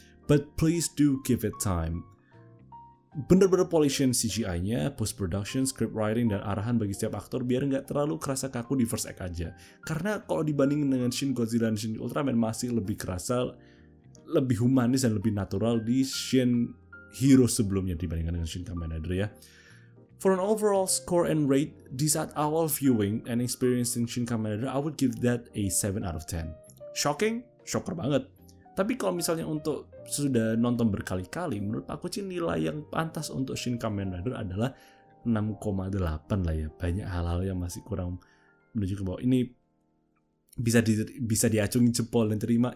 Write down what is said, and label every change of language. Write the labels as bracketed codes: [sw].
[en] But please do give it time. [id] Bener-bener polishin CGI-nya, post-production, script writing, dan arahan bagi setiap aktor biar nggak terlalu kerasa kaku di first act aja. Karena kalau dibandingin dengan Shin Godzilla dan Shin Ultraman, masih lebih kerasa, lebih humanis, dan lebih natural di Shin Hero sebelumnya dibandingkan dengan Shin Kamen Rider ya. [en] For an overall score and rate, [id] di saat awal [en] viewing and experiencing Shin Kamen Rider, I would give that a 7 out of 10. [id] Shocking? Shocker banget. Tapi kalau misalnya untuk sudah nonton berkali-kali, menurut aku sih nilai yang pantas untuk Shin Kamen Rider adalah 6,8 lah ya. Banyak hal-hal yang masih kurang menunjukkan bahwa ini bisa diacungi jempol dan terima.